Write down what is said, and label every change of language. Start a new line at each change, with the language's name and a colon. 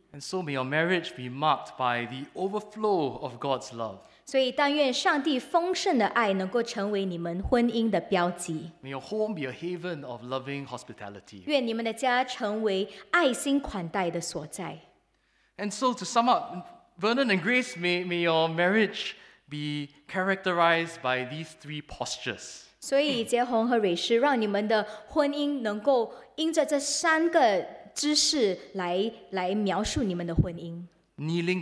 English: And so may your marriage be marked by the overflow of God's love.
Chinese: 所以但愿上帝丰盛的爱能够成为你们婚姻的标记。
English: May your home be a haven of loving hospitality.
Chinese: 愿你们的家成为爱心款待的所在。
English: And so to sum up, Vernon and Grace, may your marriage be characterized by these three postures.
Chinese: 所以杰宏和蕊诗让你们的婚姻能够因着这三个姿势来描述你们的婚姻。Kneeling